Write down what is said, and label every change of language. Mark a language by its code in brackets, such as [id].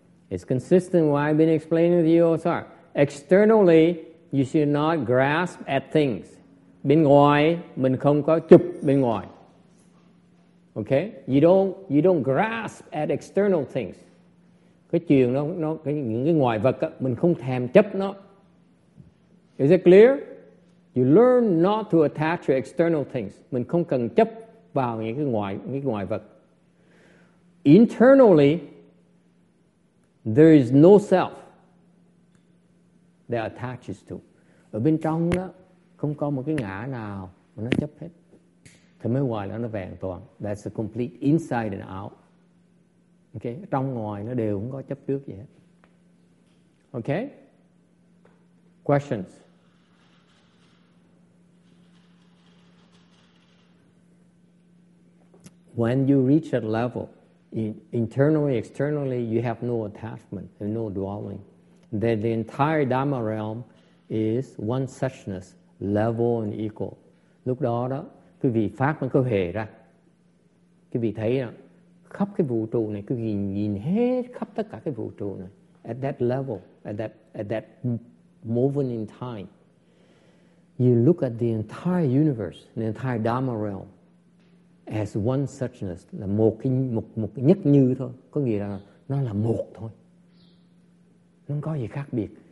[en] It's consistent what I've been explaining to you also. Externally, you should not grasp at things. [vi] Bên ngoài, mình không có chụp bên ngoài. Okay? [en] You don't grasp at external things. [vi] Cái chuyện nó những cái ngoại vật đó, mình không thèm chấp nó. [en] Is it clear? You learn not to attach to external things. [vi] Mình không cần chấp vào những cái ngoại vật. [en] Internally, there is no self that attaches to. [vi] Ở bên trong đó, không có một cái ngã nào mà nó chấp hết. Thì mới ngoài nó vẹn toàn. [en] That's the complete inside and out. Okay? [vi] Trong ngoài nó đều không có chấp trước gì hết. [en] Okay? Questions? When you reach that level, internally, externally, you have no attachment and no dwelling. Then the entire Dharma realm is one suchness, level and equal. [vi] Lúc đó đó, quý vị phát một câu hề ra. Quý vị thấy đó, khắp cái vũ trụ này, quý vị nhìn hết khắp tất cả cái vũ trụ này. [en] At that level, at that moment in time, you look at the entire universe, the entire Dharma realm, as one suchness, [vi] là một nhất như thôi, có nghĩa là nó là một thôi, nó không có gì khác biệt.